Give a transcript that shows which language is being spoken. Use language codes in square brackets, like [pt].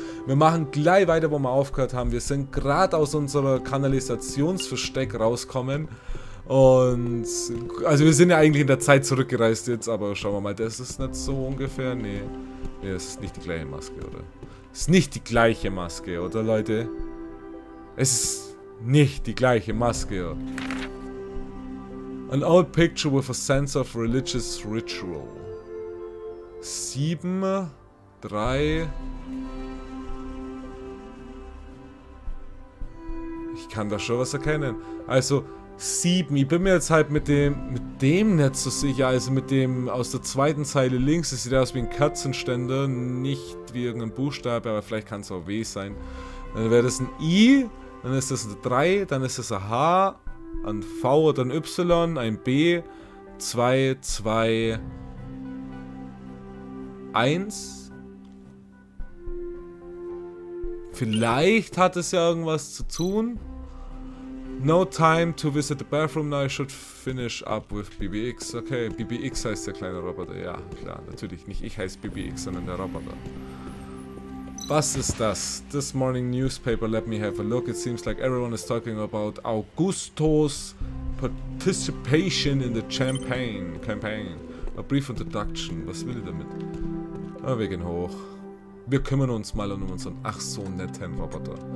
[de] Wir machen gleich weiter, wo wir aufgehört haben. Wir sind gerade aus unserer Kanalisationsversteck rauskommen. Und also wir sind ja eigentlich in der Zeit zurückgereist jetzt, aber schauen wir mal, das ist nicht so ungefähr. Nee, es ist nicht die gleiche Maske, oder? Es ist nicht die gleiche Maske, oder Leute? Es ist nicht die gleiche Maske, oder? [en] An old picture with a sense of religious ritual. [de] 7, 3. Ich kann da schon was erkennen. Also 7, ich bin mir jetzt halt mit dem nicht so sicher. Also mit dem aus der zweiten Zeile links, das sieht aus wie ein Kerzenständer, nicht wie irgendein Buchstabe, aber vielleicht kann es auch W sein. Dann wäre das ein I, dann ist das ein 3, dann ist das ein H. Ein V oder ein Y, ein B, 2, 2, 1. Vielleicht hat es ja irgendwas zu tun. [en] No time to visit the bathroom now, I should finish up with BBX. [de] Okay, BBX heißt der kleine Roboter. Ja, klar, natürlich nicht ich heiße BBX, sondern der Roboter. Was ist das? [en] This morning newspaper, let me have a look. It seems like everyone is talking about Augustos participation in the campaign. A brief introduction. [de] Was will ich damit? Ah, wir gehen hoch. Wir kümmern uns mal um unseren ach so netten Roboter.